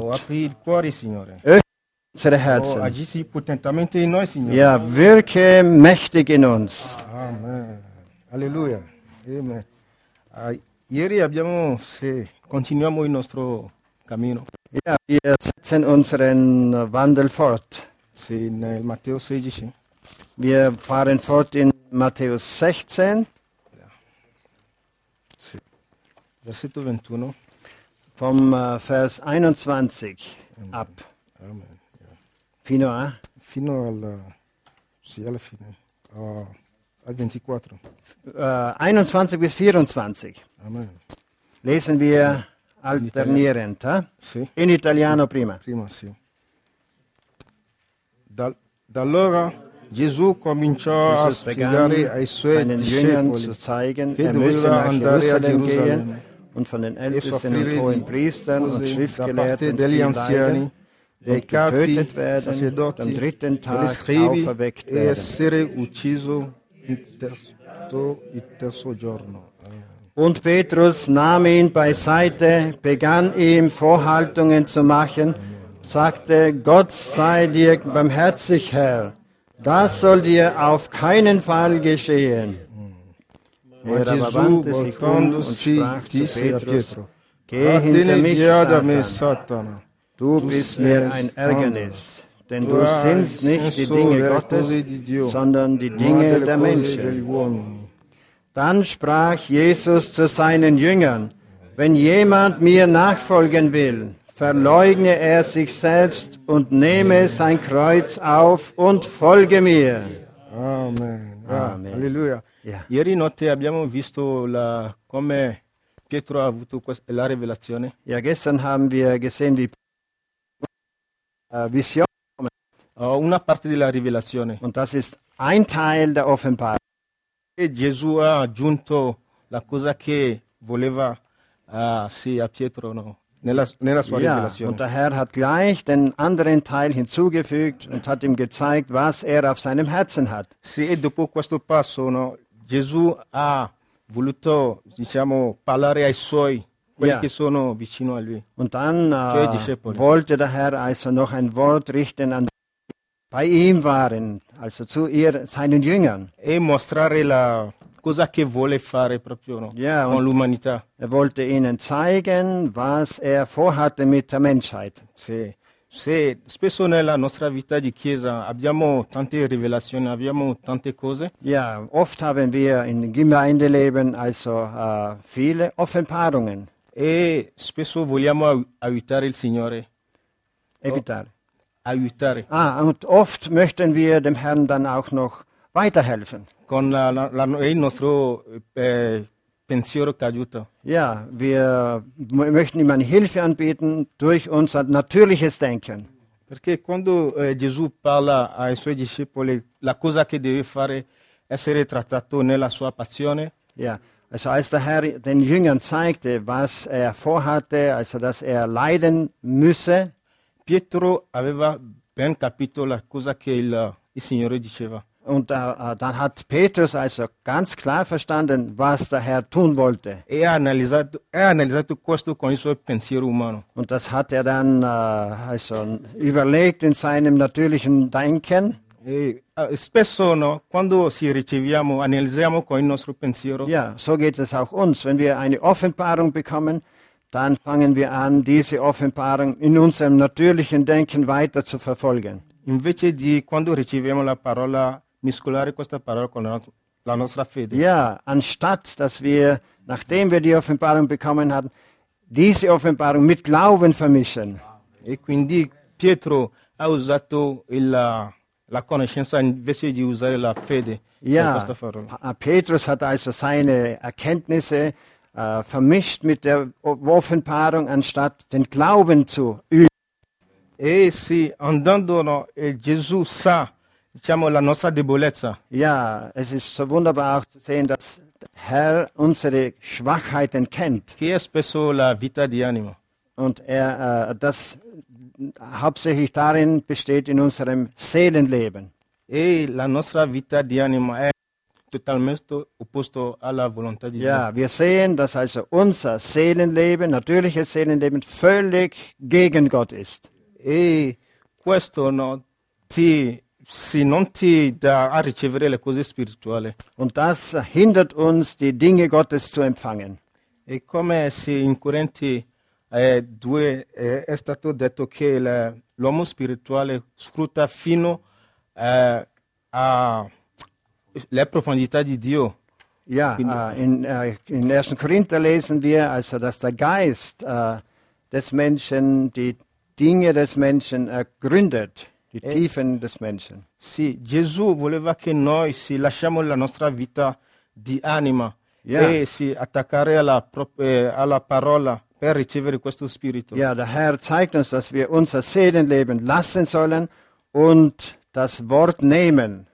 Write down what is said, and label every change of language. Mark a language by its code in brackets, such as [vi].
[it] Oh, apri il cuore, Signore. [de] Unsere Herzen. [it] Oh, agisci potentemente in noi, Signore. [de] Ja, wirke mächtig in uns. Amen. Alleluia. Amen. [it] Ieri abbiamo, se continuiamo il nostro cammino. [de] Ja, wir setzen unseren Wandel fort. [it] Sì, nel Matteo 16. [de] Wir fahren fort in Matteo 16. [it] Ja. Sì. Versetto 21. [de] Vom Vers 21 Amen. Ab. Amen. [it] Fino a? Fino al, sì, alla fine, al 24. [de] 21 bis 24. Amen. Lesen wir alternierend, [it] in italiano, sì. In italiano sì. Prima. Prima, sì. Da allora Gesù cominciò a spiegare ai suoi discepoli che doveva andare a Gerusalemme e soffrire di cose da parte degli anziani, dei capi, sacerdoti, degli scribi, e essere ucciso il terzo giorno. [de] Und Petrus nahm ihn beiseite, begann ihm Vorhaltungen zu machen, sagte, Gott sei dir barmherzig, Herr, das soll dir auf keinen Fall geschehen. Er aber wandte sich um und sprach zu Petrus, geh hinter mich, Satan. Du bist mir ein Ärgernis, denn du sinnst nicht die Dinge Gottes, sondern die Dinge der Menschen. Dann sprach Jesus zu seinen Jüngern, wenn jemand mir nachfolgen will, verleugne er sich selbst und nehme sein Kreuz auf und folge mir. Amen. Amen. Alleluia. Yeah. [it] Ieri notte abbiamo visto come Pietro ha avuto la rivelazione. [de] Ja, gestern haben wir gesehen, wie Vision. [it] Una parte della rivelazione. [de] Und das ist ein Teil der Offenbarung. [it] E Gesù ha aggiunto la cosa che voleva a Pietro, no? Nella sua rivelazione. [de] Ja, und der Herr hat gleich den anderen Teil hinzugefügt und hat ihm gezeigt, was auf seinem Herzen hat. [it] Sì, e dopo questo passo, no, Gesù ha voluto, diciamo, parlare ai suoi, quelli che sono vicino a lui. [de] Und dann wollte der Herr also noch ein Wort richten an die bei ihm waren, also zu seinen Jüngern. [it] E mostrare la cosa che vuole fare proprio, no? Yeah, con l'umanità. [de] Er wollte ihnen zeigen, was vorhatte mit der Menschheit. [it] Sì. Sì. Spesso nella nostra vita di chiesa abbiamo tante rivelazioni, abbiamo tante cose. [de] Yeah, oft haben wir in Gemeindeleben also viele Offenbarungen. [it] E spesso vogliamo aiutare il Signore. Evitare. Oh, aiutare. [de] Ah, und oft möchten wir dem Herrn dann auch noch weiterhelfen. [it] Con la il nostro pensiero caduto. [de] Ja, wir möchten ihm eine Hilfe anbieten durch unser natürliches Denken. [it] Perché quando Gesù parla ai suoi discepoli, la cosa che deve fare è essere trattato nella sua passione. [de] Ja, also als der Herr den Jüngern zeigte, was vorhatte, also dass leiden müsse. [it] Pietro aveva ben capito la cosa che il Signore diceva. [de] Und dann hat Petrus also ganz klar verstanden, was der Herr tun wollte. [it] Er analizzato questo con il suo pensiero umano. [de] Und das hat dann also überlegt in seinem natürlichen Denken. [it] E spesso, no, quando si riceviamo, analizziamo con il nostro pensiero. [de] Ja, so geht es auch uns. Wenn wir eine Offenbarung bekommen, dann fangen wir an, diese Offenbarung in unserem natürlichen Denken weiter zu verfolgen. [it] Invece di quando riceviamo la parola, mescolare questa parola con la nostra fede. [de] Ja, anstatt dass wir, nachdem wir die Offenbarung bekommen hatten, diese Offenbarung mit Glauben vermischen. [it] E quindi Pietro ha usato la conoscenza invece di usare la fede. [de] Ja, Petrus hat also seine Erkenntnisse vermischt mit der Offenbarung, anstatt den Glauben zu üben. [it] E sì, andando, no, Gesù sa, diciamo, la nostra debolezza. [de] Ja, es ist so wunderbar auch zu sehen, dass der Herr unsere Schwachheiten kennt. [it] Che è spesso la vita di anima. [de] Und das hauptsächlich darin besteht in unserem Seelenleben. [it] E la nostra vita di anima è totalmente opposto alla volontà di Dio. [de] Ja, wir sehen, dass also unser Seelenleben, natürliches Seelenleben, völlig gegen Gott ist. [it] E questo no, ti, si non ti da a ricevere le cose spirituali. [de] Und das hindert uns, die Dinge Gottes zu empfangen. [it] E come si in Corinti 2 è stato detto che l'uomo spirituale scruta fino a le profondità di Dio. [de] Ja, in 1. Korinther lesen wir, also, dass der Geist des Menschen die Dinge des Menschen ergründet, die Tiefen des Menschen. [it] Sì, Gesù voleva che noi si lasciamo la nostra vita di anima e si attaccare alla parola per ricevere questo spirito. [de] Ja, der Herr zeigt uns, dass wir unser Seelenleben lassen sollen und das Wort nehmen.